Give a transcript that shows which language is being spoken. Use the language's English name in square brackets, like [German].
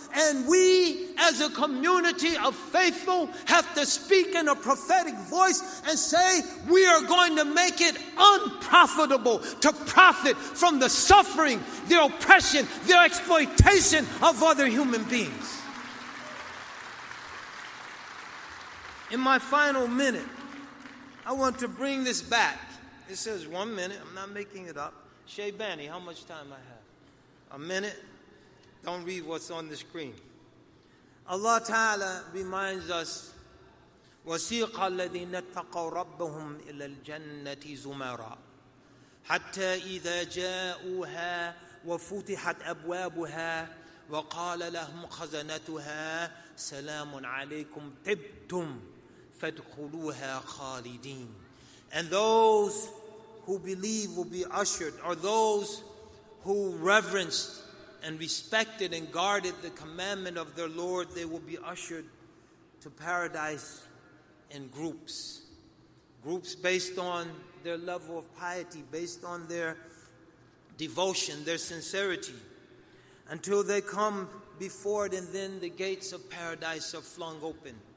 [English] And we, as a community of faithful, have to speak in a prophetic voice and say, we are going to make it unprofitable to profit from the suffering, the oppression, the exploitation of other human beings. In my final minute, I want to bring this back. It says 1 minute. I'm not making it up. Shea Banny, how much time I have? A minute? Don't read what's on the screen. [Arabic] Allah Ta'ala reminds us, وَسِيقَ الَّذِينَ اتَّقَوْ رَبَّهُمْ إِلَى الْجَنَّةِ زُمَرًا حَتَّى إِذَا جَاءُوهَا وَفُتِحَتْ أَبْوَابُهَا وَقَالَ لَهُمْ خَزَنَتُهَا سَلَامٌ عَلَيْكُمْ طِبْتُمْ فَادْخُلُوهَا خَالِدِينَ. [English] And those who believe will be ushered, or those who reverence and respected and guarded the commandment of their Lord, they will be ushered to paradise in groups. Groups based on their level of piety, based on their devotion, their sincerity, until they come before it, and then the gates of paradise are flung open.